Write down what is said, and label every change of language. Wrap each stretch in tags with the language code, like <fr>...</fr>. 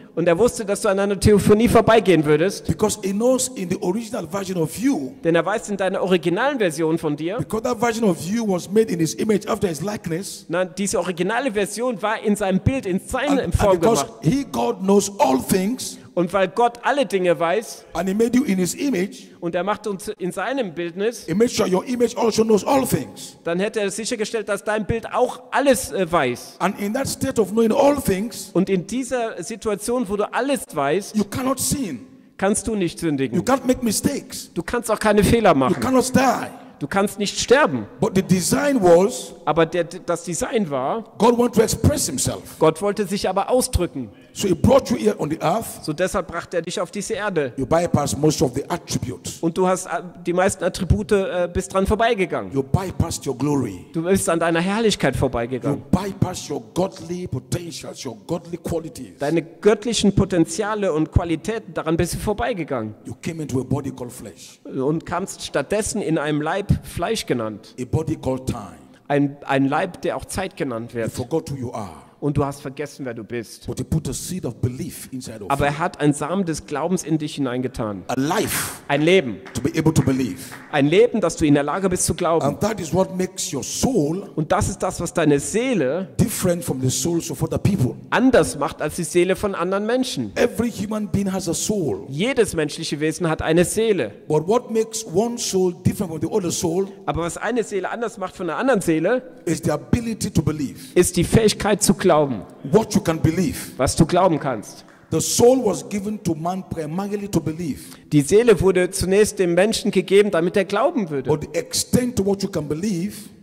<de>Und er wusste, dass du an einer Theophanie vorbeigehen würdest.</de> <en>Because he knows in the original version of you,</en> <de>denn er weiß in deiner originalen Version von dir.</de> <en>Because that version of you was made in his image after his likeness.</en> <de>Nein, diese originale Version war in seinem Bild, in seinem Form gemacht.</de> <en>Because he, God, knows all things.</en> <de>Und weil Gott alle Dinge weiß.</de> <en>And he made you in his image.</en> <de>Und er macht uns in seinem Bildnis.</de> <en>He made sure your image also knows all things.</en> <de>Dann hätte er sichergestellt, dass dein Bild auch alles weiß.</de> <en>And in that state of knowing all things.</en> <de>Und in dieser Situation, wo du alles weißt,</de> <en>you cannot sin.</en> <de>Kannst du nicht sündigen.</de> <en>You can't make mistakes.</en> <de>Du kannst auch keine Fehler machen.</de> <en>You cannot die.</en> <de>Du kannst nicht sterben.</de> <en>But the design was,</en> <de>aber das Design war,</de> <en>God wanted to express himself.</en> <de>Gott wollte sich aber ausdrücken.</de> <en>So he brought you here on the earth.</en> <de>So deshalb brachte er dich auf diese Erde.</de> <en>You bypassed most of the attributes.</en> <de>Und du hast die meisten Attribute bist dran vorbeigegangen.</de> <en>You bypassed your glory.</en> <de>Du bist an deiner Herrlichkeit vorbeigegangen.</de> <en>You bypassed your godly potentials, your godly qualities.</en> <de>Deine göttlichen Potenziale und Qualitäten, daran bist du vorbeigegangen.</de> <en>You came into a body called flesh.</en> <de>Und kamst stattdessen in einem Leib Fleisch genannt.</de> <en>A body called time.</en> <de>Ein Leib, der auch Zeit genannt wird.</de> <en>You forgot who you are.</en> <de>Und du hast vergessen, wer du bist.</de> <en>But he put a seed of belief inside of</en> <de>aber er hat einen Samen des Glaubens in dich hineingetan.</de> <en>A life,</en> <de>ein Leben.</de> <en>To be able to believe.</en> <de>Ein Leben, dass du in der Lage bist zu glauben.</de> <en>And that is what makes your soul,</en> <de>und das ist das, was deine Seele</de> <en>different from the souls of other people,</en> <de>anders macht als die Seele von anderen Menschen.</de> <en>Every human being has a soul.</en> <de>Jedes menschliche Wesen hat eine Seele.</de> <en>But what makes one soul different from the other soul,</en> <de>aber was eine Seele anders macht von einer anderen Seele,</de> <en>is the ability to believe.</en> <de>Ist die Fähigkeit zu glauben.</de> <en>What you can believe.</en> <de>Was du glauben kannst.</de> <en>The soul was given to man primarily to believe.</en> <de>Die Seele wurde zunächst dem Menschen gegeben, damit er glauben würde.</de> <en>But the extent to what you can believe.</en>